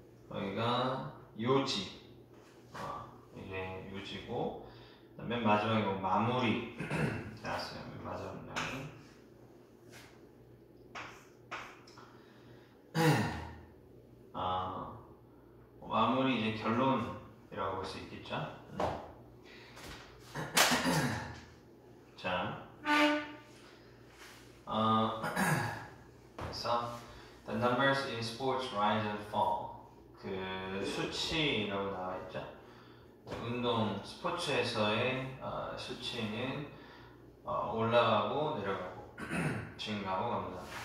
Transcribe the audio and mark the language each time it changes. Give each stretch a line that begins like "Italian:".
Korean: 여기가 요지 이게 요지고 맨 마지막에 이거 마무리 나왔어요 맨 마지막 여기 마무리 이제 결론이라고 볼 수 있겠죠? 자, 그래서
English: the numbers in sports rise and fall
Korean: 그 수치라고 나와 있죠? 운동 스포츠에서의 수치는 올라가고 내려가고 증가하고 갑니다.